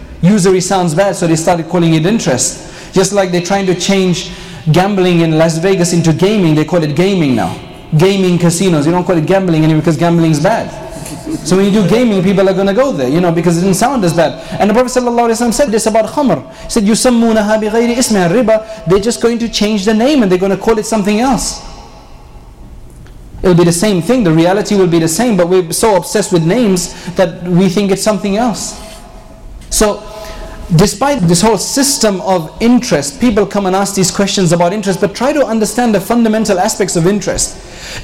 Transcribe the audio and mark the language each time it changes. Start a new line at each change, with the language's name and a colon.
English: Usury sounds bad, so they started calling it interest. Just like they're trying to change gambling in Las Vegas into gaming, they call it gaming now. Gaming casinos, you don't call it gambling anymore because gambling is bad. So when you do gaming, people are going to go there, you know, because it didn't sound as bad. And the Prophet ﷺ said this about khamr. He said,
Arabic: يُسَمُّونَهَا بِغَيْرِ إِسْمِهَا الرِّبَى.
English: They're just going to change the name and they're going to call it something else. It'll be the same thing, the reality will be the same, but we're so obsessed with names that we think it's something else. So, despite this whole system of interest, people come and ask these questions about interest, but try to understand the fundamental aspects of interest.